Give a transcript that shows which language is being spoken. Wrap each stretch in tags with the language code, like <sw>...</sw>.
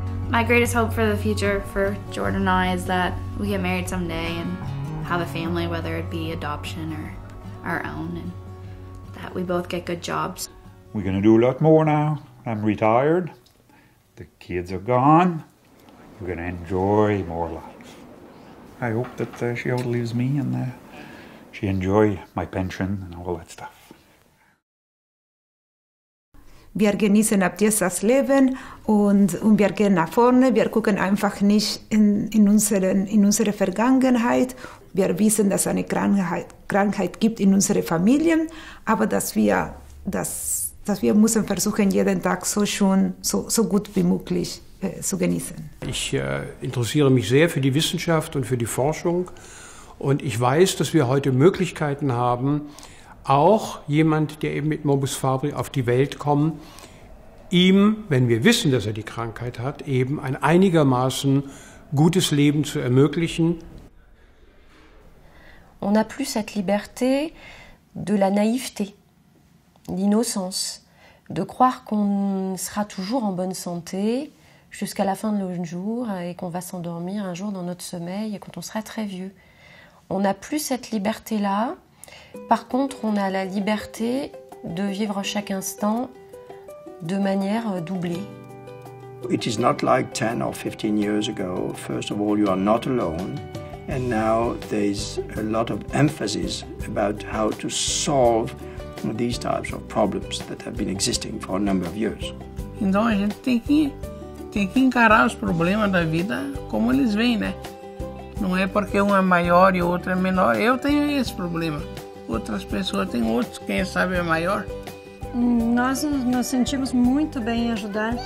<en>My greatest hope for the future for Jordan and I is that we get married someday and have a family, whether it be adoption or our own, and that we both get good jobs. We're gonna do a lot more now. I'm retired. The kids are gone. We're gonna enjoy more life. I hope that she outlives me and she enjoy my pension and all that stuff.</en> <de>Wir genießen ab jetzt das Leben und wir gehen nach vorne. Wir gucken einfach nicht in unsere Vergangenheit. Wir wissen, dass es eine Krankheit gibt in unseren Familien, aber dass wir müssen versuchen, jeden Tag so gut wie möglich zu genießen. Ich interessiere mich sehr für die Wissenschaft und für die Forschung. Und ich weiß, dass wir heute Möglichkeiten haben, auch jemand, der eben mit Morbus Fabry auf die Welt kommt, ihm, wenn wir wissen, dass er die Krankheit hat, eben ein einigermaßen gutes Leben zu ermöglichen.</de> <fr>On n'a plus cette liberté de la naïveté, l'innocence, de croire qu'on sera toujours en bonne santé jusqu'à la fin de nos jours et qu'on va s'endormir un jour dans notre sommeil quand on sera très vieux. On n'a plus cette liberté-là. Par contre, on a la liberté de vivre chaque instant de manière doublée.</fr> <en>It is not like 10 or 15 years ago. First of all, you are not alone. And now there's a lot of emphasis about how to solve these types of problems that have been existing for a number of years.</en> <pt>Então a gente tem que encarar os problemas da vida como eles vêm, né? Não é porque um é maior e o outro é menor. Eu tenho esse problema. Outras pessoas têm outros, quem sabe é maior. Nós nos sentimos muito bem em ajudar.</pt>